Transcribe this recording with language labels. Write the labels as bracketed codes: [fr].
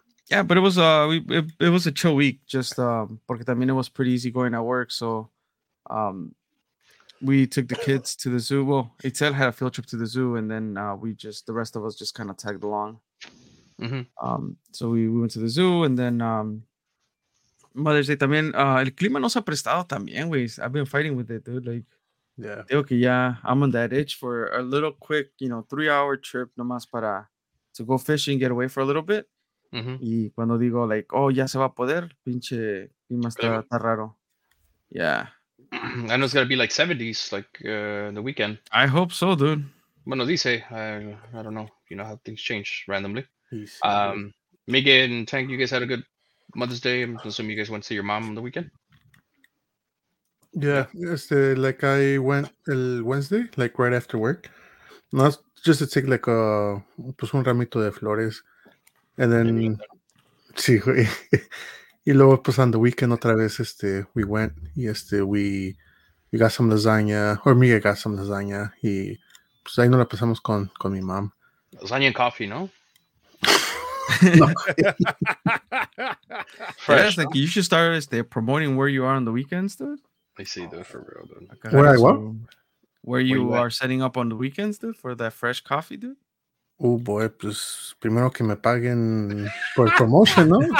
[en] Yeah, but it was it was a chill week. Just porque también it was pretty easy going at work. So, we took the kids to the zoo. Well, Itzel had a field trip to the zoo, and then the rest of us just kind of tagged along. Mm-hmm. So we went to the zoo, and then Mother's Day. [es] También el clima no se ha prestado también, güey. [en] I've been fighting with it, dude. Like, yeah, okay, yeah. I'm on that itch for a little quick, you know, 3-hour trip, nomás para to go fishing, get away for a little bit. Mm-hmm. [es] Y cuando digo, like, oh, ya se va a poder, pinche clima está raro. [en] Yeah. I know it's going to be like 70s, like, in the weekend. I hope so, dude. Bueno, dice, I don't know. You know how things change randomly. Miguel and Tank, you guys had a good Mother's Day. I'm assuming you guys went to see your mom on the weekend. Yeah. Like, I went el Wednesday, like, right after work. Not just to take, like, un ramito de flores. And then, sí, y luego pues on the weekend otra vez we went y we got some lasagna, or Miguel got some lasagna y pues ahí nos la pasamos con mi mom. Lasagna and coffee, no? No. Fresh, yeah, like you should start promoting where you are on the weekends, dude. I see, dude, for real, dude. Okay, where I what? Where you are setting up on the weekends, dude, for that fresh coffee, dude? [es] Oh boy, pues primero que me paguen por promotion, ¿no?